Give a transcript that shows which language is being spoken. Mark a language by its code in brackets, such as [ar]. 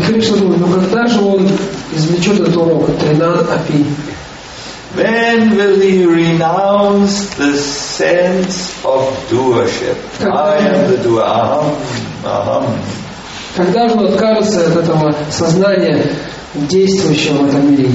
[ru] Кришна думает, ну когда же он извлечет этот урок Тринад Апи? [en] When will he renounce the sense of doership? I am the doer. [sa] Aham, aham. [ru] Когда же откажется от этого сознания действующего в этом мире?